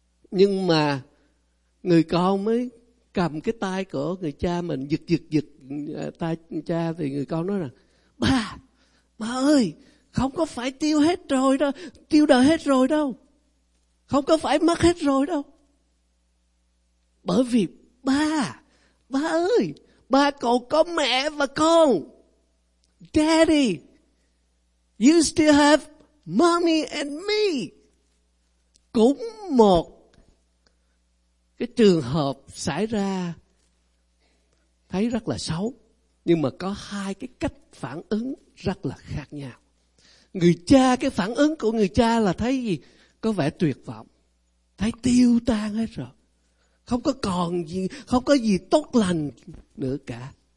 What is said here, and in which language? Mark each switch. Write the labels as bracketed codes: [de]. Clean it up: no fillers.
[vi] Nhưng mà người con mới cầm cái tay của người cha mình, giật tay cha, thì người con nói rằng ba ơi, không có phải tiêu hết rồi đâu, tiêu đời hết rồi đâu, không có phải mất hết rồi đâu, bởi vì ba ơi, ba còn có mẹ và con. [en] Daddy, you still have mommy and me. [vi] Cũng một cái trường hợp xảy ra thấy rất là xấu, nhưng mà có hai cái cách phản ứng rất là khác nhau. Người cha, cái phản ứng của người cha là thấy gì? Có vẻ tuyệt vọng, thấy tiêu tan hết rồi, không có còn gì, không có gì tốt lành nữa cả.